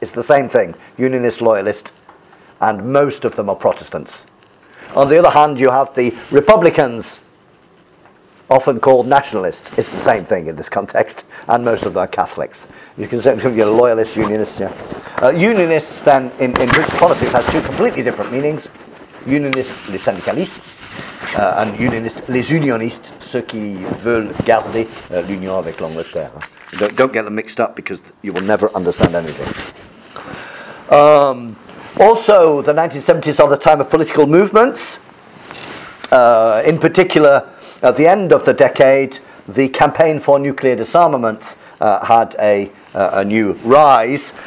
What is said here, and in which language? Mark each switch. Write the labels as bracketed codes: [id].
[en] It's the same thing, unionist, loyalist. And most of them are Protestants. On the other hand, you have the Republicans, often called nationalists. It's the same thing in this context. And most of them are Catholics. You can say you're loyalists, unionists. Yeah. Unionists, then, in British politics, has two completely different meanings. [fr] Unionists, les syndicalistes, and unionists, les unionistes, ceux qui veulent garder l'union avec l'Angleterre. [en] Don't get them mixed up, because you will never understand anything. Also, the 1970s are the time of political movements. In particular, at the end of the decade, the campaign for nuclear disarmament had a new rise.